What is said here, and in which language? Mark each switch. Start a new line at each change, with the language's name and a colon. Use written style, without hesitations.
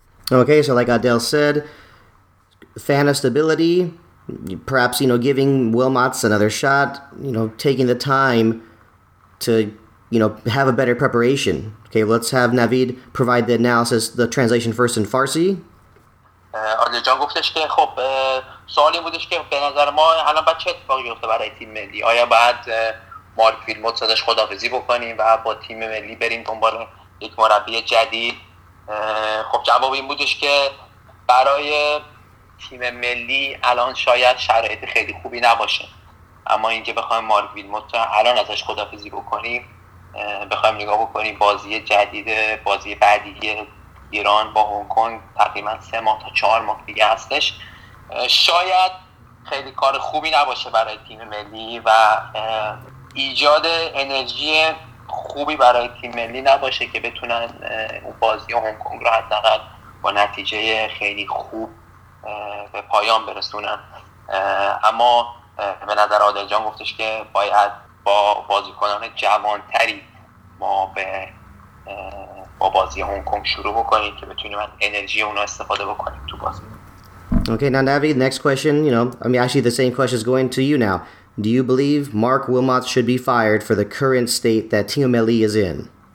English: Okay, so like Adele said, fan of stability, perhaps, you know, giving Wilmots another shot, you know, taking the time to, you know, have a better preparation. Okay, let's have Navid provide the analysis, the translation first in Farsi.
Persian: آره جان گفتش که خب سوالی بودش که به نظر ما الان بعد چه اتفاقی افتاد برای تیم ملی، آیا بعد مارک ویلموتس ازش خداحافظی بکنیم و با تیم ملی بریم دنبال یک مربی جدید؟ خب جواب این بودش که برای تیم ملی الان شاید شرایط خیلی خوبی نباشه، اما اینکه بخوایم مارک ویلموتس الان ازش خداحافظی بکنیم، بخوایم نگاه بکنیم بازی جدید، بازی بعدی ایران با هنگ کنگ تقریبا 3 تا 4 ماه دیگه هستش، شاید خیلی کار خوبی نباشه برای تیم ملی و ایجاد انرژی خوبی برای تیم ملی نباشه که بتونن اون بازی هنگ کنگ رو حداقل با نتیجه خیلی خوب به پایان برسونن. اما به نظر عادل جان گفتش که باید با بازیکنان جوانتری
English: Okay, now Navid, next question, you know, I mean, actually the same question is going to you now. Do you believe Mark Wilmots should be fired for the current state that Team MLE is in?